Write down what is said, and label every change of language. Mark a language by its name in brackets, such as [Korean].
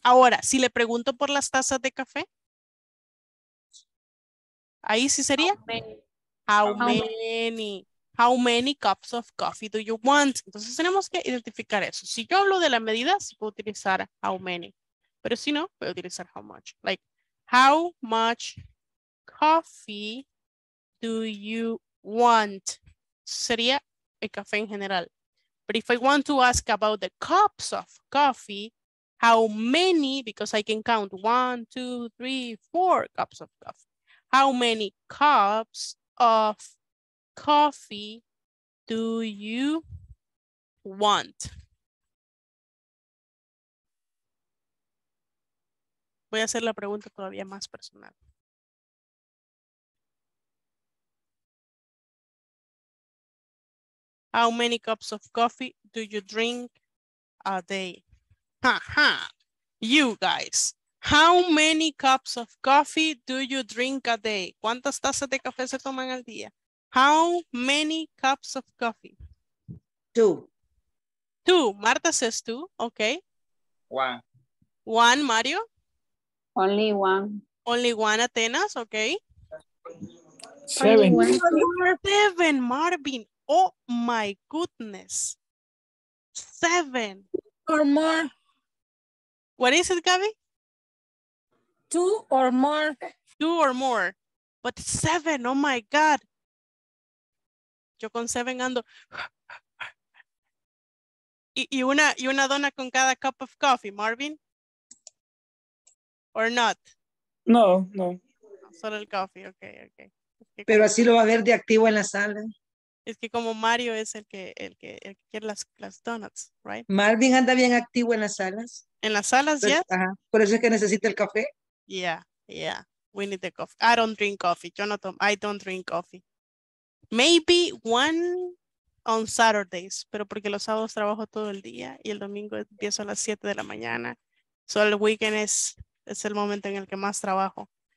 [Spanish] Ahora, si le pregunto por las tazas de café, ahí sí sería. [English] How many? How many cups of coffee do you want? [Spanish] Entonces tenemos que identificar eso. Si yo hablo de la medida, sí puedo utilizar [English] how many. [Spanish] Pero si no, voy a utilizar [English] how much. Like, how much coffee do you want? [Spanish] Sería el café en general. [English] But if I want to ask about the cups of coffee, how many, because I can count 1, 2, 3, 4 cups of coffee. How many cups of coffee do you want? [Spanish] Voy a hacer la pregunta todavía más personal. [English] How many cups of coffee do you drink a day? Ha ha. You guys. How many cups of coffee do you drink a day? [Spanish] ¿Cuántas tazas de café se toman al día? [English] How many cups of coffee? Two. Marta says two. Okay. One, Mario. Only one, Atenas, okay. Seven, Marvin. Oh my goodness. Seven. Or more. What is it, Gabby? Two or more. Two or more. But seven, oh my God. [Spanish] Yo con [English] seven [Spanish] ando. Y una dona con cada [English] cup of coffee, [Spanish] Marvin. [English] Or not? [Spanish] No. Solo el coffee, okay. Es que pero como, así lo va a ver de activo en la sala. Es que como Mario es el que quiere las donuts, [English] right? [Spanish] Marvin anda bien activo en las salas. ¿En las salas, ya? Ajá, por eso es que necesita el café. [English] Yeah, we need the coffee. I don't drink coffee, I don't drink coffee. Maybe one on Saturdays, [Spanish] pero porque los sábados trabajo todo el día y el domingo empiezo a las 7 de la mañana. So el weekend es el momento en el que más trabajo.